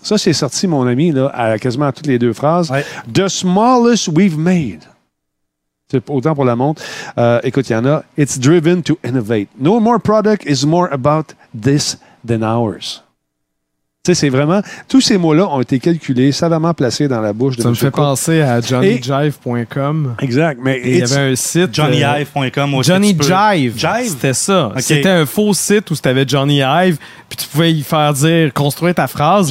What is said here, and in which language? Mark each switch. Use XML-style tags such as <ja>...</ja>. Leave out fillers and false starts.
<fr>Ça, c'est sorti, mon ami, là, à quasiment toutes les deux phrases. Ouais.</fr> <en>The smallest we've made.</en> <fr>C'est autant pour la montre. Écoute, il y en a.</fr> <en>It's driven to innovate. No more product is more about this than ours.</en> <fr>C'est vraiment, tous ces mots-là ont été calculés, savamment placés dans la bouche de M. Cook. Ça me fait penser à JohnnyJive.com. Exact. Mais il y avait un site. JohnnyJive.com. JohnnyJive. C'était ça. Okay. C'était un faux site où tu avais JohnnyJive, puis tu pouvais y faire dire, construire ta phrase.</fr>